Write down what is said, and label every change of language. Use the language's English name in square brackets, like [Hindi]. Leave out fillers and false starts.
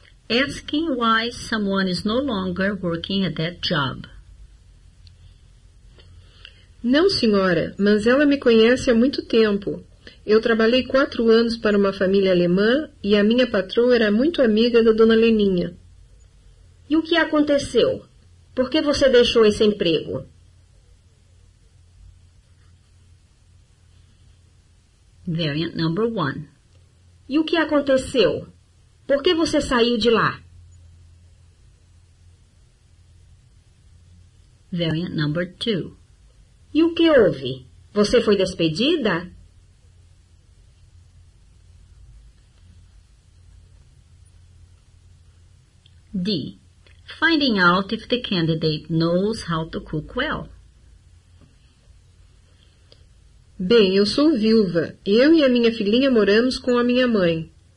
[English] Asking why someone is no longer working at that job. [Portuguese] Não, senhora, mas ela me conhece há muito tempo. Eu trabalhei 4 anos para uma família alemã e a minha patroa era muito amiga da dona Leninha. E o que aconteceu? Por que você deixou esse emprego? [English] Variant number one. [Portuguese] E o que aconteceu? Por que você saiu de lá? [English] Variant number two. [Portuguese] E o que houve? Você foi despedida? D. [English] Finding out if the candidate knows how to cook well. [Portuguese] Bem, eu sou viúva. Eu e a minha filhinha moramos com a minha mãe.